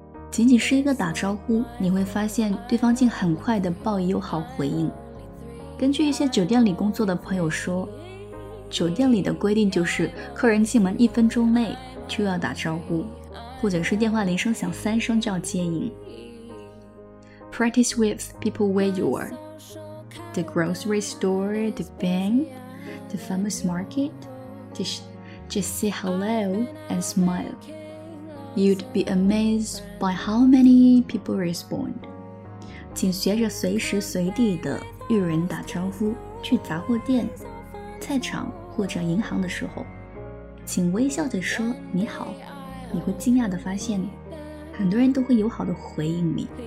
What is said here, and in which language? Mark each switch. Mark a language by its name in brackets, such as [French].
[Chinese] 仅仅是一个打招呼，你会发现对方竟很快地报以友好回应。根据一些酒店里工作的朋友说，酒店里的规定就是客人进门一分钟内就要打招呼，或者是电话铃声响三声就要接应。 [English] Practice with people where you are. The grocery store, the bank, the famous market. Just say hello and smile. You'd be amazed by how many people respond. [Chinese] 请学着随时随地的与人打招呼，去杂货店、菜场或者银行的时候，请微笑着说你好，你会惊讶地发现很多人都会友好地回应你。